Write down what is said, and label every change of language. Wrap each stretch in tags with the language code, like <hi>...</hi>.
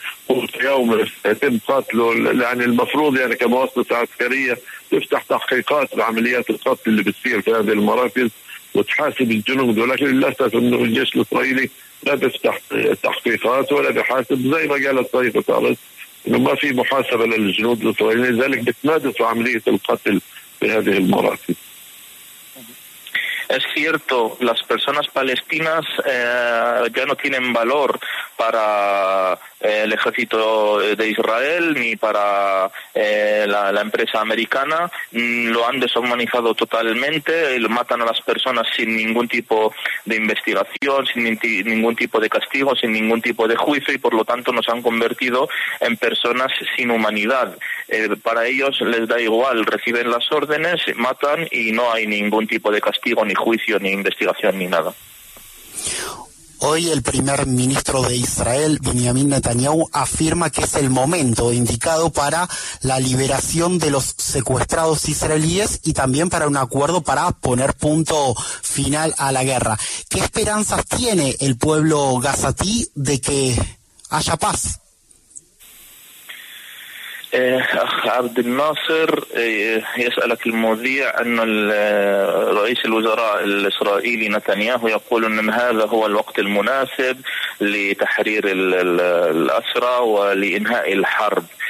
<ar>قوت يوم يتم قتله يعني المفروض يعني كمؤسسة عسكرية تفتح تحقيقات بعمليات القتل اللي بتصير في هذه المراكز وتحاسب الجنود ولكن للأسف أنه الجيش الإسرائيلي لا بيفتح تحقيقات ولا بيحاسب زي ما قالت صحيفة هآرتس أنه ما في محاسبة للجنود الإسرائيليين لذلك بتنادوا عملية القتل في هذه المراكز.</ar> <es>Es cierto, las personas palestinas ya no tienen valor para el ejército de Israel ni para la empresa americana. Lo han deshumanizado totalmente, matan a las personas sin ningún tipo de investigación, sin ningún tipo de castigo, sin ningún tipo de juicio y por lo tanto nos han convertido en personas sin humanidad. Para ellos les da igual, reciben las órdenes, matan y no hay ningún tipo de castigo, ni juicio, ni investigación, ni nada. Hoy el primer ministro de Israel, Benjamin Netanyahu, afirma que es el momento indicado para la liberación de los secuestrados israelíes y también para un acuerdo para poner punto final a la guerra. ¿Qué esperanzas tiene el pueblo gazatí de que haya paz?</es> <ar>عبد الناصر يسألك المذيع أن رئيس الوزراء الإسرائيلي نتنياهو يقول أن هذا هو الوقت المناسب لتحرير الأسرى ولإنهاء الحرب.</ar>